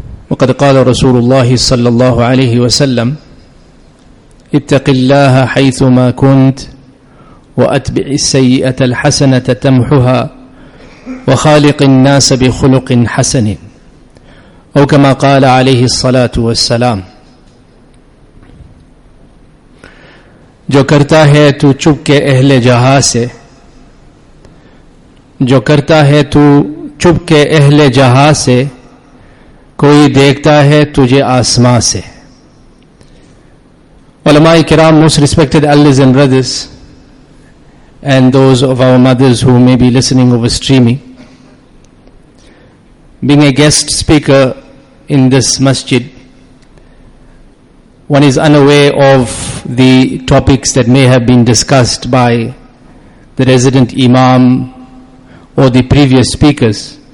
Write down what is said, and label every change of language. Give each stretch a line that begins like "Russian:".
Arabic: وقد قال رسول الله صلى الله عليه وسلم: اتق الله حيثما كنت، وأتبع السيئة الحسنة تمحها، وخالق الناس بخلق حسن. أو كما قال عليه الصلاة والسلام:
Urdu: جو کرتا ہے تو چپ کے اہل جہاں سے، جو کرتا ہے تو چپ کے اہل جہاں سے، کوئی دیکھتا ہے تجھے آسمان سے. علماء کرام،
English: Most respected elders and brothers and those of our mothers who may be listening over streaming, being a guest speaker in this masjid, one is unaware of the topics that may have been discussed by the resident imam or the previous speakers.